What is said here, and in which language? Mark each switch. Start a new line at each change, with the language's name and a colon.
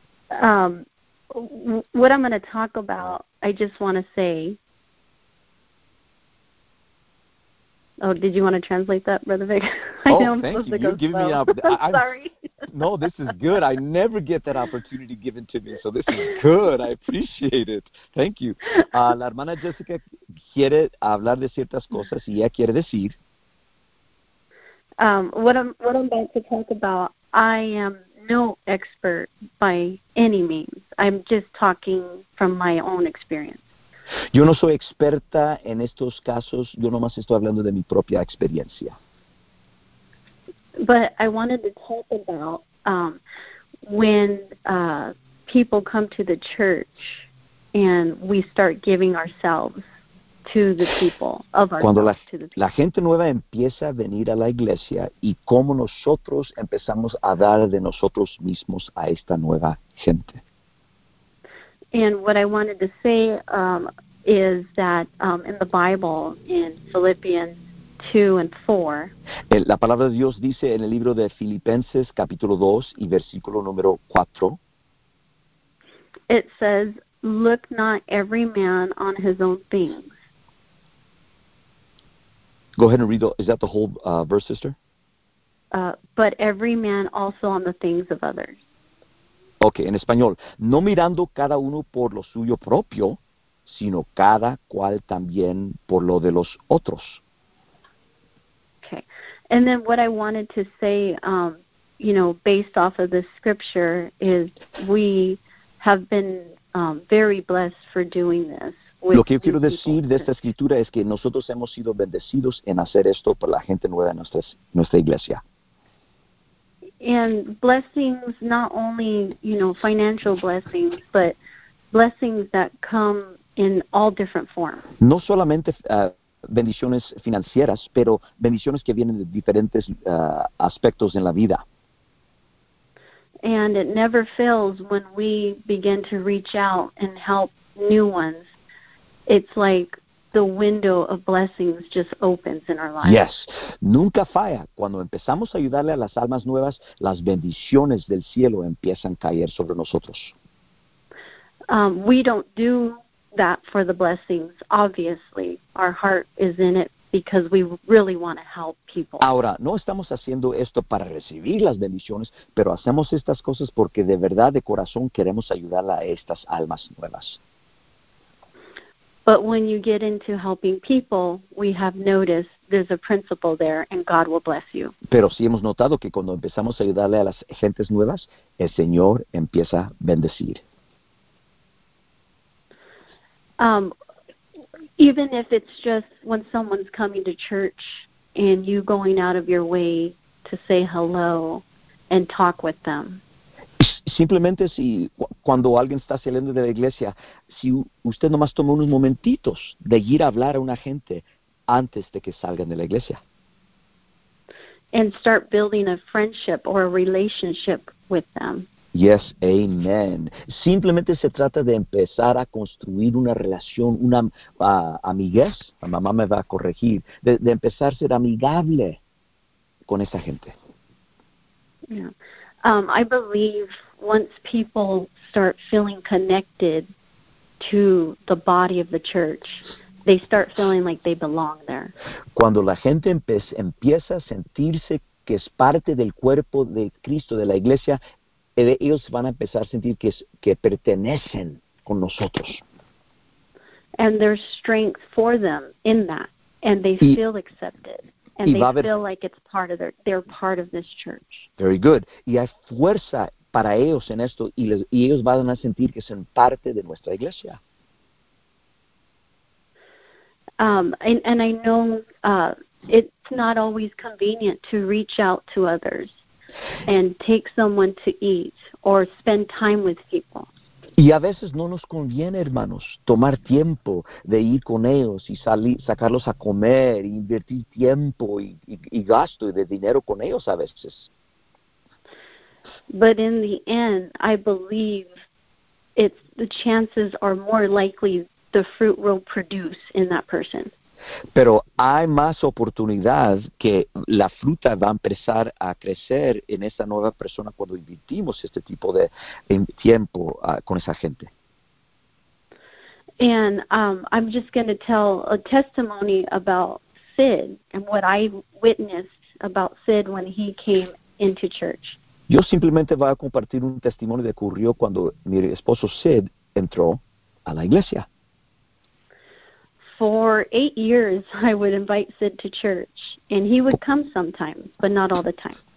English: What I'm going to talk about, I just want to say. Oh, did you want to translate that, Brother Vic? Thank you. No, this is good. I never get that opportunity given to me, so this is good. I appreciate it. Thank you.
Spanish: La hermana Jessica quiere hablar de ciertas cosas y ella quiere decir.
English: What I'm about to talk about, I am no expert by any means. I'm just talking from my own experience.
Spanish: Yo no soy experta en estos casos. Yo nomás estoy hablando de mi propia experiencia.
English: But I wanted to talk about when people come to the church and we start giving ourselves to the people of our
Spanish: Cuando la,
English: to the people.
Spanish: La gente nueva empieza a venir a la iglesia y cómo nosotros empezamos a dar de nosotros mismos a esta nueva gente.
English: And what I wanted to say is that in the Bible, in Philippians 2 and 4.
Spanish: La palabra de Dios dice en el libro de Filipenses capítulo 2 y versículo número 4.
English: It says, "Look not every man on his own things." Go ahead and read. Is that the whole verse, sister? But every man also on the things of others.
Spanish: Okay, en español, no mirando cada uno por lo suyo propio, sino cada cual también por lo de los otros.
English: Okay, and then what I wanted to say, you know, based off of this scripture, is we have been very blessed for doing this.
Spanish: Lo que yo quiero decir de esta escritura es que nosotros hemos sido bendecidos en hacer esto por la gente nueva de nuestra iglesia.
English: And blessings, not only, you know, financial blessings, but blessings that come in all different forms.
Spanish: No solamente bendiciones financieras, pero bendiciones que vienen de diferentes aspectos en la vida.
English: And it never fails when we begin to reach out and help new ones. It's like the window of blessings just opens in our lives.
Spanish: Yes. Nunca falla. Cuando empezamos a ayudarle a las almas nuevas, las bendiciones del cielo empiezan a caer sobre nosotros.
English: We don't do that for the blessings, obviously. Our heart is in it because we really want to help people.
Spanish: Ahora, no estamos haciendo esto para recibir las bendiciones, pero hacemos estas cosas porque de verdad, de corazón, queremos ayudar a estas almas nuevas.
English: But when you get into helping people, we have noticed there's a principle there, and God will bless you.
Spanish: Pero sí hemos notado que cuando empezamos a ayudarle a las gentes nuevas, el Señor empieza a bendecir.
English: Even if it's just when someone's coming to church and you going out of your way to say hello and talk with them.
Spanish: Simplemente si cuando alguien está saliendo de la iglesia, si usted nomás toma unos momentitos de ir a hablar a una gente antes de que salgan de la iglesia.
English: And start building a friendship or a relationship with them. Yes, amen.
Spanish: Simplemente se trata de empezar a construir una relación, una amiguez. La mamá me va a corregir. De empezar a ser amigable con esa gente.
English: Yeah. I believe once people start feeling connected to the body of the church, they start feeling like they belong there.
Spanish: Cuando la gente empieza a sentirse que es parte del cuerpo de Cristo, de la iglesia, ellos van a empezar a sentir que pertenecen con nosotros.
English: And there's strength for them in that, and they feel accepted, and they feel like it's part of they're part of this church. Very good.
Spanish: Y hay fuerza para ellos en esto, y ellos van a sentir que son parte de nuestra iglesia.
English: And I know it's not always convenient to reach out to others and take someone to eat or spend time with people.
Spanish: Y a veces no nos conviene, hermanos, tomar tiempo de ir con ellos y sacarlos a comer, e invertir tiempo y gasto de dinero con ellos a veces.
English: But in the end, I believe it's the chances are more likely the fruit will produce in that person.
Spanish: Pero hay más oportunidad que la fruta va a empezar a crecer en esa nueva persona cuando invertimos este tipo de tiempo con esa gente.
English: And I'm just going to tell a testimony about Sid and what I witnessed about Sid when he came into church.
Spanish: Yo simplemente voy a compartir un testimonio que ocurrió cuando mi esposo Sid entró a la iglesia.
English: For 8 years, I would invite Sid to church, and he would come sometimes, but not all the time.